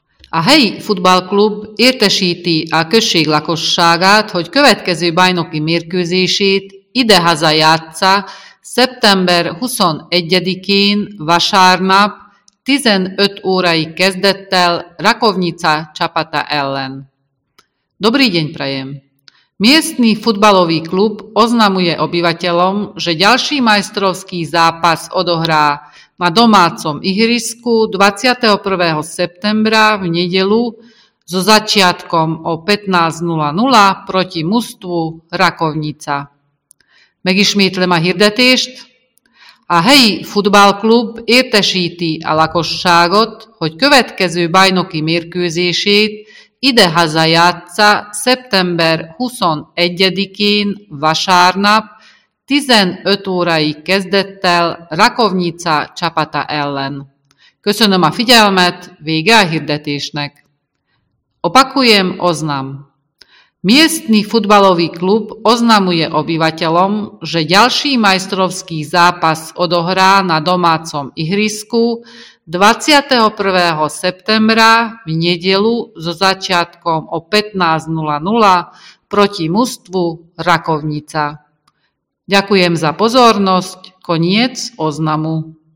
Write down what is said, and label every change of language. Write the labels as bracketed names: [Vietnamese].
[Hungarian] A helyi futballklub értesíti a község lakosságát, hogy következő bajnoki mérkőzését idehaza játssza szeptember 21-én vasárnap 15 órai kezdettel Rakovnica csapata ellen. [Slovak] Dobrý deň prajem! Miestny futbalový klub oznamuje obyvateľom, že ďalší majstrovský zápas odohrá na domácom ihrisku 21. septembra v nedeľu so začiatkom o 15:00 proti mužstvu Rakovnica. [Hungarian] Megismétlem a hirdetést. A helyi futballklub értesíti a lakosságot, hogy következő bajnoki mérkőzését idehaza játssza szeptember 21-én vasárnap 15 órai kezdettel Rakovnica csapata ellen. Köszönöm a figyelmet, vége a hirdetésnek. [Slovak] Opakujem oznam. Miestny futbalový klub oznamuje obyvateľom, že ďalší majstrovský zápas odohrá na domácom ihrisku 21. septembra v nedeľu so začiatkom o 15:00 proti mužstvu Rakovnica. Ďakujem za pozornosť. Koniec oznamu.